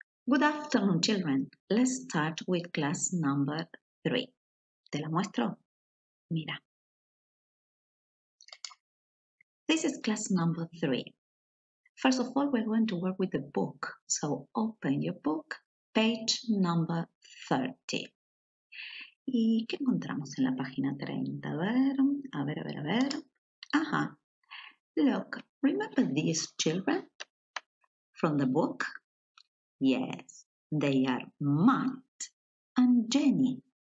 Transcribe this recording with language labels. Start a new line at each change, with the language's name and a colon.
English: Good afternoon, children. Let's start with class number 3.
Spanish: ¿Te la muestro? Mira.
English: This is class number 3. First of all, we're going to work with a book. So open your book, page number 30.
Spanish: ¿Y qué encontramos en la página 30? A ver. Ajá.
English: Look, remember these children from the book? Yes, they are Matt and Jenny.